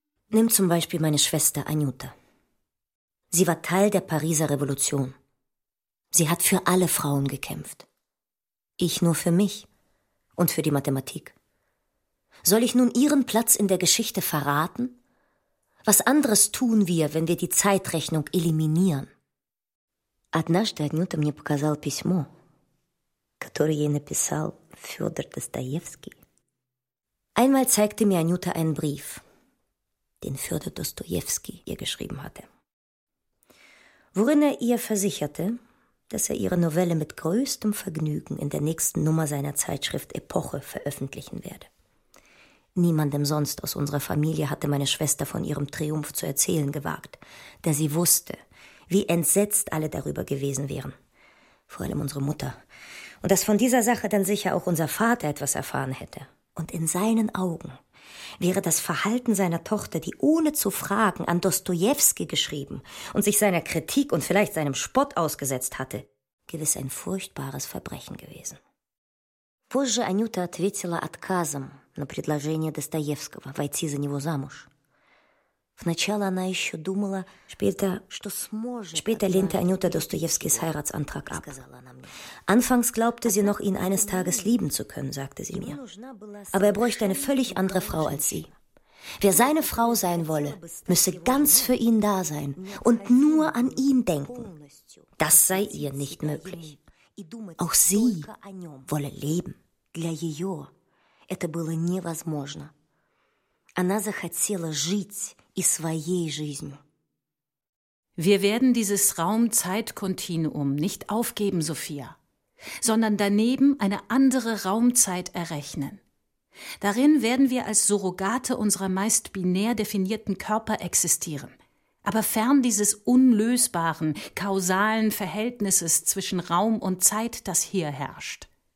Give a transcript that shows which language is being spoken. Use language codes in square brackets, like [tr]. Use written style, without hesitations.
[de] Nimm zum Beispiel meine Schwester Anjuta. Sie war Teil der Pariser Revolution. Sie hat für alle Frauen gekämpft. Ich nur für mich und für die Mathematik. Soll ich nun ihren Platz in der Geschichte verraten? Was anderes tun wir, wenn wir die Zeitrechnung eliminieren? [ru] Однажды Анюта мне показала письмо, которое ей написал Фёдор Достоевский. [de] Einmal zeigte mir Anjuta einen Brief, den Fjodor Dostojewski ihr geschrieben hatte, worin er ihr versicherte, dass er ihre Novelle mit größtem Vergnügen in der nächsten Nummer seiner Zeitschrift Epoche veröffentlichen werde. Niemandem sonst aus unserer Familie hatte meine Schwester von ihrem Triumph zu erzählen gewagt, da sie wusste, wie entsetzt alle darüber gewesen wären, vor allem unsere Mutter, und dass von dieser Sache dann sicher auch unser Vater etwas erfahren hätte. Und in seinen Augen wäre das Verhalten seiner Tochter, die ohne zu fragen an Dostojewski geschrieben und sich seiner Kritik und vielleicht seinem Spott ausgesetzt hatte, gewiss ein furchtbares Verbrechen gewesen. [ru] Позже Анюта ответила отказом на предложение Достоевского войти за него замуж. Вначале она еще думала, что сможет. [de] Später lehnte Анюта Достоевскис Heiratsantrag ab. Anfangs glaubte sie noch, ihn eines Tages lieben zu können, sagte sie mir. Aber er bräuchte eine völlig andere Frau als sie. Wer seine Frau sein wolle, müsse ganz für ihn da sein und nur an ihn denken. Das sei ihr nicht möglich. Auch sie wolle leben. [ru] Для ее это было невозможно. Она захотела жить и своей жизнью. [de] Wir werden dieses Raum-Zeit-Kontinuum nicht aufgeben, Sophia, sondern daneben eine andere Raumzeit errechnen. Darin werden wir als Surrogate unserer meist binär definierten Körper existieren, aber fern dieses unlösbaren, kausalen Verhältnisses zwischen Raum und Zeit, das hier herrscht.